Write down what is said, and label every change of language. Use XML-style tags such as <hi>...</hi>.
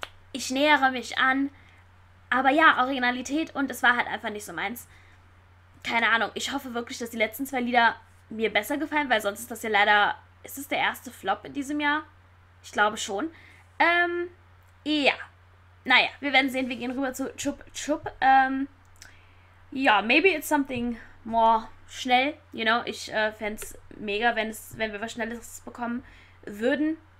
<de>Ich nähere mich an. Aber ja, Originalität und es war halt einfach nicht so meins. Keine Ahnung, ich hoffe wirklich, dass die letzten zwei Lieder mir besser gefallen, weil sonst ist das ja leider. Ist es der erste Flop in diesem Jahr? Ich glaube schon. Ja. Naja, wir werden sehen. Wir gehen rüber zu Chup Chup.</de> <en>Ja, maybe it's something more schnell. You know,</en> <de>ich fände es mega, wenn wir was Schnelles bekommen würden.</de>